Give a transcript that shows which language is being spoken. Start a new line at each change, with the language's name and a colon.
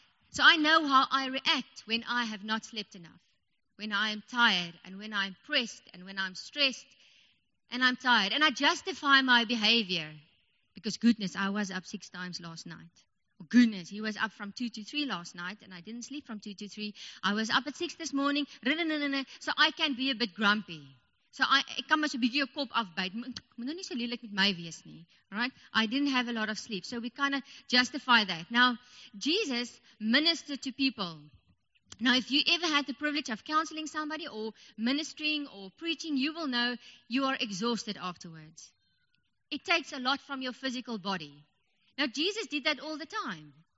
English: So I know how I react when I have not slept enough, when I am tired and when I'm pressed and when I'm stressed. and I'm tired. And I justify my behavior because goodness, I was up 6 times last night. Goodness, he was up from 2 to 3 last night and I didn't sleep from 2 to 3. I was up at 6 this morning. So I can be a bit grumpy.
Afrikaans: So I kan maar so 'n bietjie jou kop afbyt. Moet nou nie so lelik met my wees nie.
English: All right? I didn't have a lot of sleep. So we kind of justify that. Now, Jesus ministered to people. Now, if you ever had the privilege of counseling somebody or ministering or preaching, you will know you are exhausted afterwards. It takes a lot from your physical body. Now, Jesus did that all the time.